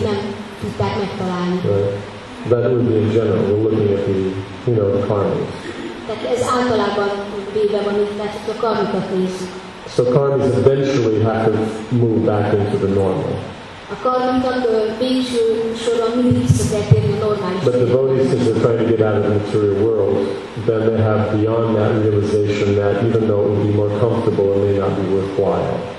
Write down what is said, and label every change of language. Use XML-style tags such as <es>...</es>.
<hu>ezt a személyt nem tudták megtalálni.</hu> <en>That would be in general. We're looking at the, you know, the karmas.</en> <hu>Tehát ez általában véve van itt, tehát a karmikat nézzük.</hu> <en>So karmas eventually have to move back into the normal.</en> <hu>A karmikat végső soron mindig vissza kell térni a normális.</hu> <en>But the devotees, since they're trying to get out of the material world, then they have beyond that realization that even though it would be more comfortable, it may not be worthwhile.</en>